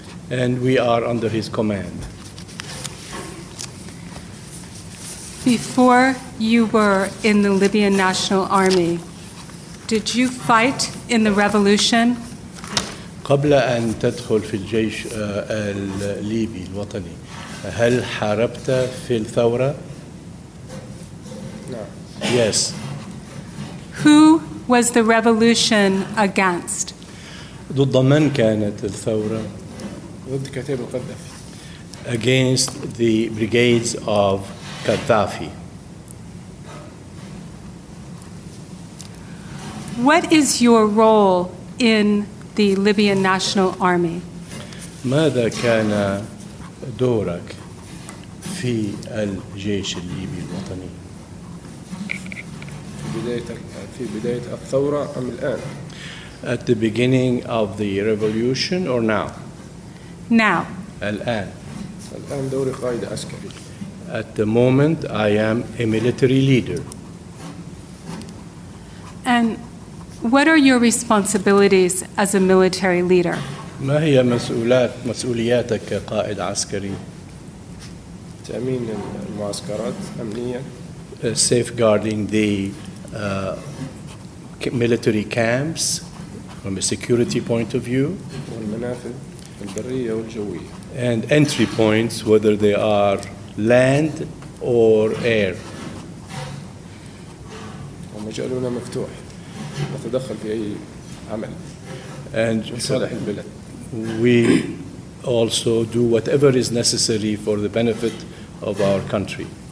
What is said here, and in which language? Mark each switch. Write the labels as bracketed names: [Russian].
[English] And we are under his command. Before you were in the Libyan National Army, did you fight in the revolution? [Arabic] قبل أن تدخل في الجيش الليبي الوطني هل حاربت في الثورة؟ [English] No. Yes. Who was the revolution against? [Arabic] ضد من كانت الثورة؟ ضد كتيبة القذافي. [English] Against the brigades of Gaddafi. What is your role in the Libyan National Army. [Arabic] ماذا كان دورك في الجيش الليبي الوطني؟ في بداية الثورة أم الآن؟ [English] At the beginning of the revolution or now? Now. [Arabic] الآن. الآن دوري قائد عسكري. [English] At the moment, I am a military leader. And what are your responsibilities as a military leader? [Arabic] ما هي مسؤولياتك كقائد عسكري؟ تأمين المعسكرات أمنية. [English] Safeguarding the military camps from a security point of view. [Arabic] والمنافذ البرية والجوية. [English] And entry points, whether they are land or air. [Arabic] ومجالنا مفتوح. نتدخل في أي عمل. [English] And [Arabic] لصالح البلد. [English] We also do whatever is necessary for the benefit of our country.